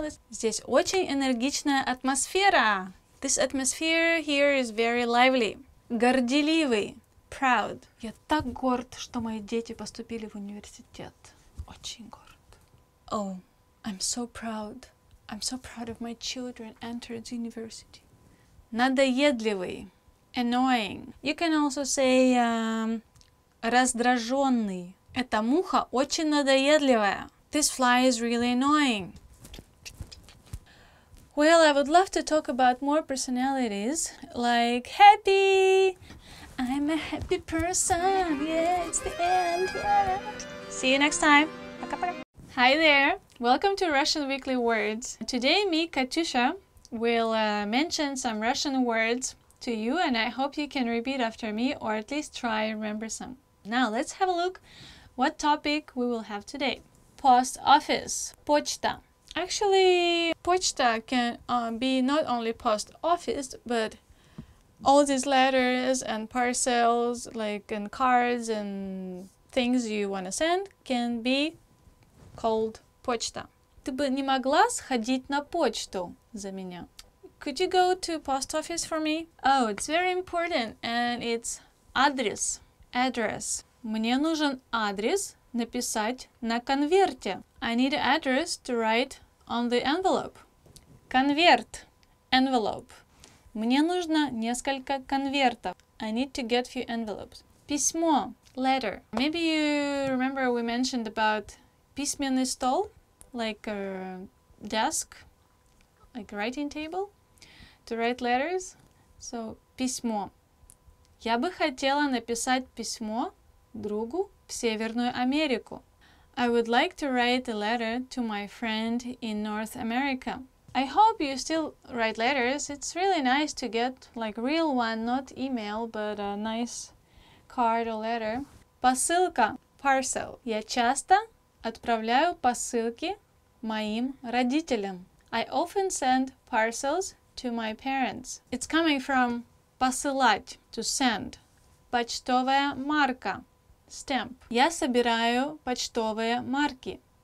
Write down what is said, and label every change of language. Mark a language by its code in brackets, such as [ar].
[ru] Здесь очень энергичная атмосфера. [en] This atmosphere here is very lively. [ru] Горделивый. [en] Proud. [ru] Я так горд, что мои дети поступили в университет. Очень горд. [en] Oh, I'm so proud. I'm so proud of my children entered university. [ru] Надоедливый. [en] Annoying. You can also say раздраженный. [ru] Эта муха очень надоедливая. [en] This fly is really annoying. Well, I would love to talk about more personalities, like happy. I'm a happy person. Yeah, it's the end. Yeah. See you next time. Hi there. Welcome to Russian Weekly Words. Today, me, Katyusha, will mention some Russian words to you, and I hope you can repeat after me or at least try and remember some. Now, let's have a look. What topic we will have today? Post office. Почта. Actually, почта can be not only post office, but all these letters and parcels, like and cards and things you want to send, can be called почта. [ru] Ты бы не могла сходить на почту за меня? [en] Could you go to post office for me? Oh, it's very important, and it's адрес. Address. [ru] Мне нужен адрес написать на конверте. [en] I need an address to write on the envelope. [ru] Конверт. Envelope. Мне нужно несколько конвертов. [en] I need to get a few envelopes. [ru] Письмо. [en] Letter. Maybe you remember we mentioned about письменный стол, like a desk, like a writing table, to write letters. So, письмо. [ru] Я бы хотела написать письмо другу в Северную Америку. [en] I would like to write a letter to my friend in North America. I hope you still write letters. It's really nice to get like real one, not email, but a nice card or letter. [ru] Посылка. [en] Parcel. [ru] Я часто отправляю посылки моим родителям. [en] I often send parcels to my parents. It's coming from посылать, to send. [ru] Почтовая марка. [en] Stamp. [ru] Я собираю почтовые марки.